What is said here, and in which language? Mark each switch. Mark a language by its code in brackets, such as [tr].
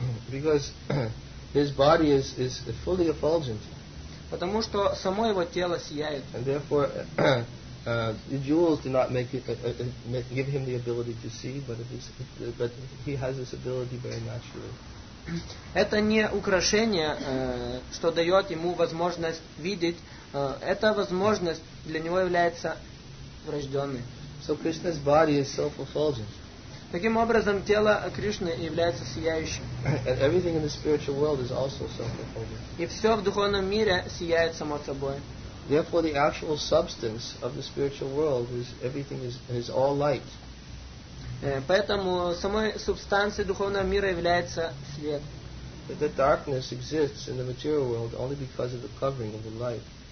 [en] Because his body is fully effulgent. [ru] Потому что само его тело сияет. [en] And therefore, the jewels do not give him the ability to see, but he has this ability very naturally. [ru] Это не украшение, что дает ему возможность видеть. Эта возможность для него является врожденной. [en] So Krishna's body is self-effulgent. [ru] Таким образом, тело Кришны является сияющим. [en] And everything in the spiritual world is also self-effulgent. [ru] И все в духовном мире сияет само собой. [en] Therefore, the actual substance of the spiritual world is everything is all light. [ru] Поэтому самой субстанцией духовного мира является свет. [en] The darkness exists in the material world only because of the covering of the light.